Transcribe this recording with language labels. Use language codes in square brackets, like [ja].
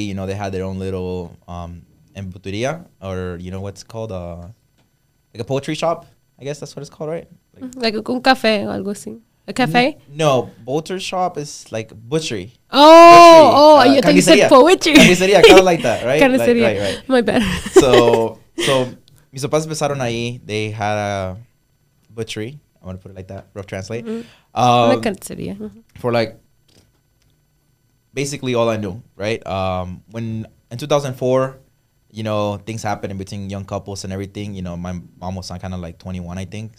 [en] You know, they had their own little embuturia, or, you know, what's called like a poetry shop, I guess that's what it's called, right? Like a [es] un café o algo así. [en] A cafe? No, butcher shop is like butchery. Oh, butchery. Oh, you think you said poetry. Carniceria, kind of like that, right? [es] Carniceria, [en] right. My bad. So [es] mis papás empezaron ahí. [en] They had a butchery. I want to put it like that, rough translate. [es] Mm-hmm. Carniceria. [en] For like basically all I knew, right? When in 2004, you know, things happened in between young couples and everything. You know, my mom was kind of like 21, I think.